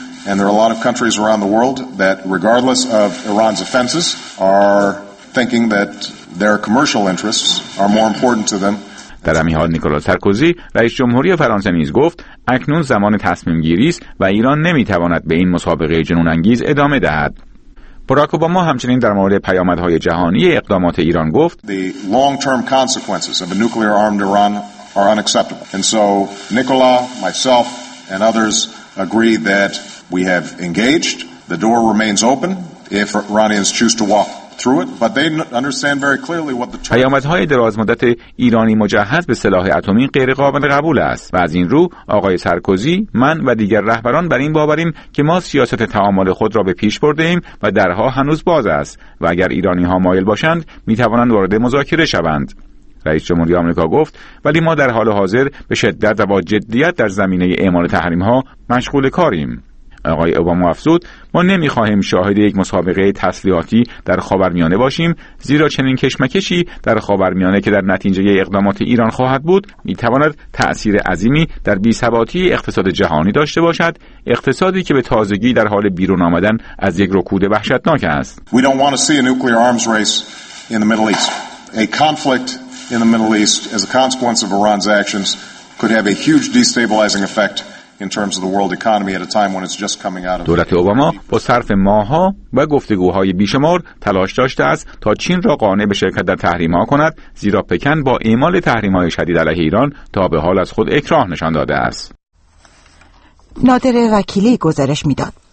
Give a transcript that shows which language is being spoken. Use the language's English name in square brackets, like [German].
[English] And there are a lot of countries around the world that, regardless of Iran's offenses, are thinking that their commercial interests are more important to them. [Persian] در همین حال نیکولا سارکوزی، رئیس جمهوری فرانسه، نیز گفت اکنون زمان تصمیم گیری است و ایران نمیتواند به این مسابقه جنون انگیز ادامه دهد. باراک اوباما همچنین در مورد پیامدهای جهانی اقدامات ایران گفت [English] The long-term consequences of a nuclear-armed Iran are unacceptable. And so Nicola, myself, and others agree that We have engaged. The door remains open if Iranians choose to walk through it, but they understand very clearly what the [Persian] پیامدهای درازمدت ایرانی مجهز به سلاح اتمی غیر قابل قبول است. و از این رو آقای سارکوزی، من و دیگر رهبران بر این باوریم که ما سیاست تعامل خود را به پیش برده‌ایم و درها هنوز باز است و اگر ایرانی‌ها مایل باشند می‌توانند وارد مذاکره شوند. رئیس جمهوری آمریکا گفت ولی ما در حال حاضر به شدت و با جدیت در زمینه اعمال تحریم‌ها مشغول کاریم. آقای اوباما افزود ما نمی‌خواهیم شاهد یک مسابقه تسلیحاتی در خاورمیانه باشیم، زیرا چنین کشمکشی در خاورمیانه که در نتیجه اقدامات ایران خواهد بود می‌تواند تأثیر عظیمی در بی‌ثباتی اقتصاد جهانی داشته باشد، اقتصادی که به تازگی در حال بیرون آمدن از یک رکود وحشتناک است. [English] We don't want to see a nuclear arms race in the Middle East. A conflict in the Middle East as a consequence of Iran's actions could have a huge destabilizing effect in terms of the world economy at a time when it's just coming out of. [Persian] دولت اوباما با صرف ماه‌ها و گفتگوهای بیشمار تلاش داشته است تا چین را قانع به شرکت در تحریم‌ها کند، زیرا پکن با اعمال تحریم‌های شدید علیه ایران تا به حال از خود اکراه نشان داده است. نادر وکیلی گزارش می‌داد.